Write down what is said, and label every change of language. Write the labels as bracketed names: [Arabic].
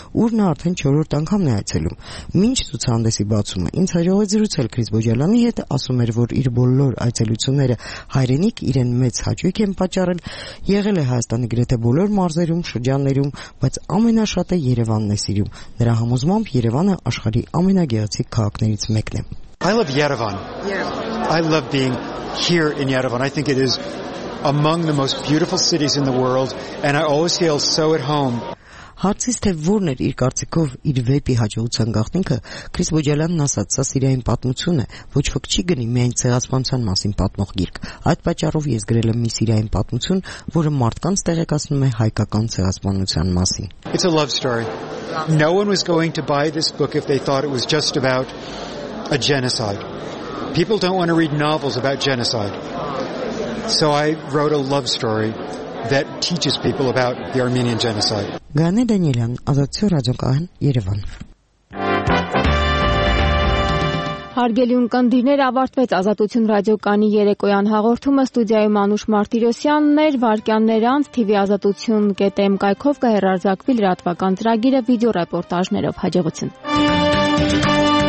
[Armenian] ուր նա արդեն 4-րդ անգամն է այցելում։ Մինչ ցուցահանդեսի բացումը ինձ հաջողեց զրուցել Քրիս Բոջալյանին, հետ ասում էր, որ իր բոլոր այցելությունները հայրենիք իրեն մեծ հաճույք են պատճառել, եղել է Հայաստանի գրեթե բոլոր մարզերում, շրջաններում, բայց ամենաշատը Երևանն է սիրում։ Նրա համոզմամբ Երևանը աշխարհի ամենագեղեցիկ քաղաքներից մեկն է։ [English] I love Yerevan. Yeah. I love being here in Yerevan. I think it is among the most beautiful cities in the world and I always feel so at home. [Armenian] Հարցից, թե որն էր իր կարծիքով իր վեպի հաջողության գաղտնիքը, Քրիս Բոջալյանն ասաց, սա սիրային պատմություն է, ոչ ոք չի գնի միայն ցեղասպանության մասին պատմող գիրք։ Այդ պատճառով ես գրել եմ մի սիրային պատմություն, որը մարդկանց տեղեկացնում է հայկական ցեղասպանության մասին։ [English] It's a love story. No one was going to buy this book if they thought it was just about a genocide. People don't want to read novels about genocide. So I wrote a love story that teaches people about the Armenian genocide. [Armenian] Գանե Դանիելյան, Ազատություն ռադիոկայան, Երևան։ Հարգելի ընկերներ, ավարտվեց Ազատություն ռադիոկայանի երեկոյան հաղորդումը, ստուդիայում Անուշ Մարտիրոսյանն էր, վարկյաններ անց tvazatutyun.am կայքով կհեռարձակվի լրատվական ծրագիրը վիդեո ռեպորտաժներով։ Հաջողություն։